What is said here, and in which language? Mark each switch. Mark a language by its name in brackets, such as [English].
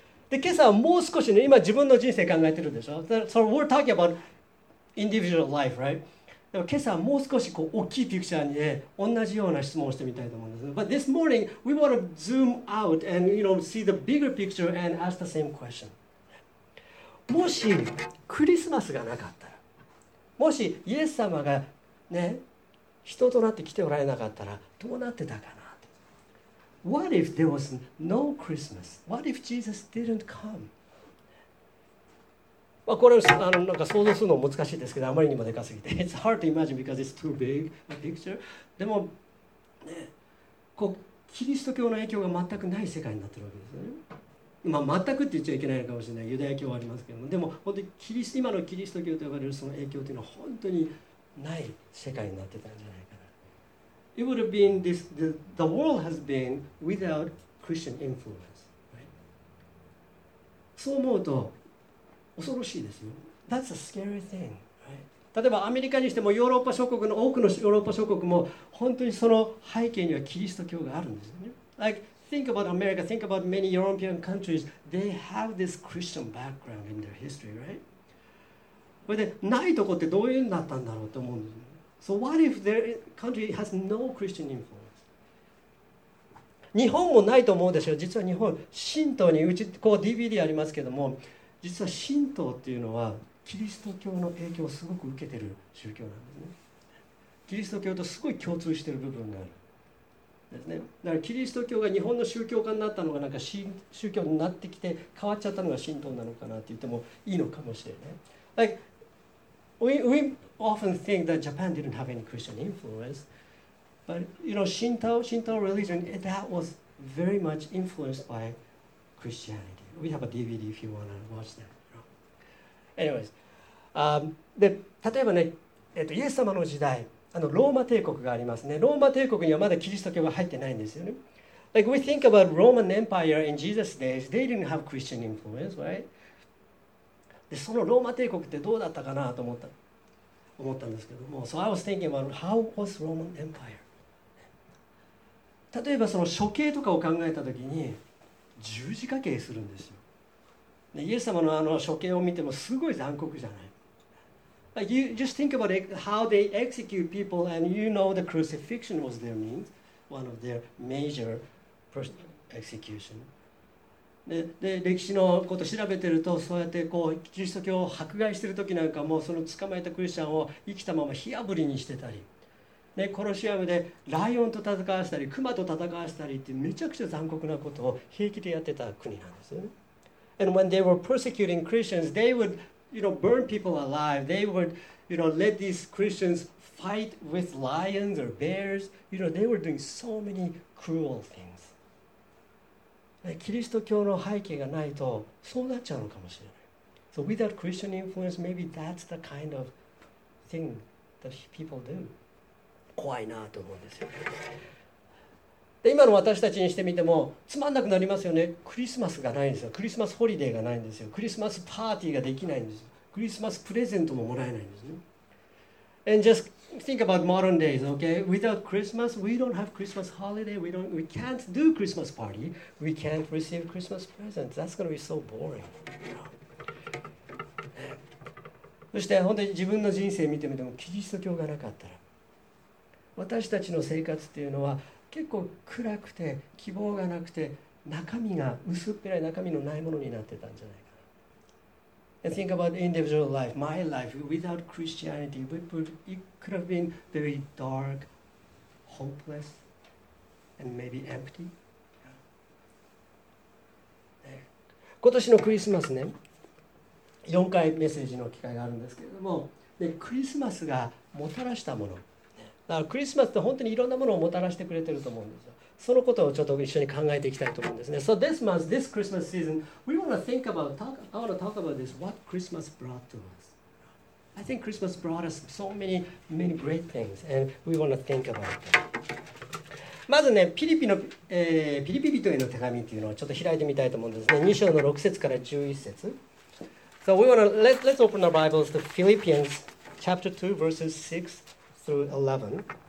[Japanese] で、今朝はもう少しね、今自分の人生考えてるでしょ。 [English] So we're talking about individual life, right? [Japanese] でも今朝はもう少しこう大きいピクチャーにね、同じような質問をしてみたいと思うんです。 [English] But this morning, we want to zoom out and, you know, see the bigger picture and ask the same question. [Japanese] もしクリスマスがなかったら、もしイエス様がね、人となって来ておられなかったらどうなってたかなと。 [English] What if there was no Christmas? What if Jesus didn't come? [Japanese] まあこれはなんか想像するの難しいですけど、あまりにもでかすぎて [English] It's hard to imagine because it's too big a picture. [Japanese] でも、ね、こうキリスト教の影響が全くない世界になってるわけですね。まあ、全くって言っちゃいけないかもしれない、ユダヤ教はありますけども、でも本当にキリスト、今のキリスト教と呼ばれるその影響というのは本当にない世界になってたんじゃないかな。 [English] It would have been this, the world has been without Christian influence, right? [Japanese] そう思うと恐ろしいですよ。 [English] That's a scary thing, right? [Japanese] 例えばアメリカにしても、ヨーロッパ諸国の多くのヨーロッパ諸国も本当にその背景にはキリスト教があるんですよね。 [English] Like, think about America, think about many European countries, they have this Christian background in their history, right? [Japanese] これでないとこってどういうんだったんだろうと思うんですよ。 [English] So what if their country has no Christian influence? [Japanese] 日本もないと思うでしょう。実は日本、神道に、うちこう DVD ありますけども、実は神道っていうのは、キリスト教の影響をすごく受けてる宗教なんですね。キリスト教とすごい共通してる部分がある。ですね。だからキリスト教が日本の宗教家になったのが、なんか宗教になってきて変わっちゃったのが神道なのかなって言ってもいいのかもしれない。 [English] Like, we often think that Japan didn't have any Christian influence, but you know, Shinto religion, that was very much influenced by Christianity. We have a DVD if you want to watch that. [Japanese] Anyways, で例えばね、イエス様の時代、あのローマ帝国がありますね。ローマ帝国にはまだキリスト教が入ってないんですよね。 [English] Like, we think about Roman Empire in Jesus' days, they didn't have Christian influence, right? [Japanese] で、そのローマ帝国ってどうだったかなと思ったんですけども、 [English] So I was thinking about how was Roman Empire? [Japanese] 例えばその処刑とかを考えたときに、十字架刑するんですよ。で、イエス様のあの処刑を見てもすごい残酷じゃない。 [English] Like, you just think about how they execute people and you know the crucifixion was their means, one of their major execution. [Japanese] で歴史のことを調べてると、そうやってこうキリスト教を迫害してる時なんかも、その捕まえたクリスチャンを生きたまま火炙りにしてたり、ね、コロシアムでライオンと戦わせたり、クマと戦わせたりって、めちゃくちゃ残酷なことを平気でやってた国なんですよね。 [English] And when they were persecuting Christians, they would, you know, burn people alive. They would, you know, let these Christians fight with lions or bears. You know, they were doing so many cruel things. [Japanese] キリスト教の背景がないとそうなっちゃうのかもしれない。 [English] So without Christian influence, maybe that's the kind of thing that people do. [Japanese] 怖いなと思うんですよ。で、今の私たちにしてみてもつまんなくなりますよね。クリスマスがないんですよ。クリスマスホリデーがないんですよ。クリスマスパーティーができないんですよ。クリスマスプレゼントももらえないんですね。 [English] And just think about modern days, okay? Without Christmas, we don't have Christmas holiday. We can't do Christmas party. We can't receive Christmas presents. That's going to be so boring. [Japanese] そして本当に自分の人生見てみてもキリスト教がなかったら私たちの生活っていうのは結構暗くて希望がなくて中身が薄っぺらい中身のないものになってたんじゃないかな。 [English] And think about individual life, my life without Christianity, it could have been very dark, hopeless, and maybe empty. [Japanese] 今年のクリスマスね、4回メッセージの機会があるんですけれども、でクリスマスがもたらしたもの、だからクリスマスって本当にいろんなものをもたらしてくれてると思うんですよ。そのことをちょっと一緒に考えていきたいと思うんですね。 [English] So this month, this Christmas season, we want to think about, talk, I want to talk about this, what Christmas brought to us. I think Christmas brought us so many, many great things, and we want to think about them. [Japanese] まずね、ピリピの、ピリピ人への手紙っていうのをちょっと開いてみたいと思うんですね。 2章の6節から11節。 [English] So we want to, let's open our Bibles to Philippians chapter 2, verses 6 through 11.